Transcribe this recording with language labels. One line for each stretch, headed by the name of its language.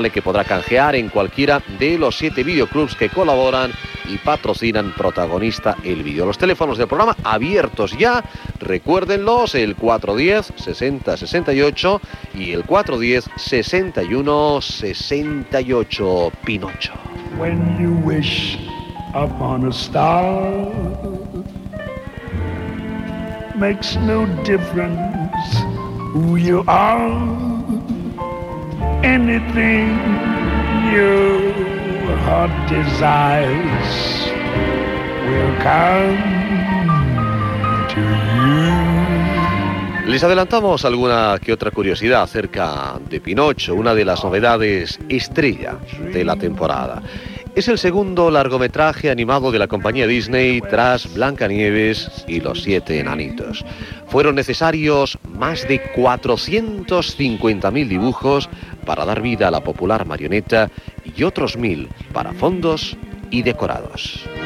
Spanish: Vale que podrá canjear en cualquiera de los 7 videoclubs que colaboran y patrocinan Protagonista el Vídeo. Los teléfonos del programa abiertos ya, recuérdenlos, el 410-60-68 y el 410-61-68. Pinocho.
English: When you wish upon a star, makes no difference who you are, anything your heart desires will come to you.
Spanish: Les adelantamos alguna que otra curiosidad acerca de Pinocho, una de las novedades estrella de la temporada. Es el segundo largometraje animado de la compañía Disney tras Blancanieves y los Siete Enanitos. Fueron necesarios más de 450.000 dibujos para dar vida a la popular marioneta y otros 1.000 para fondos y decorados.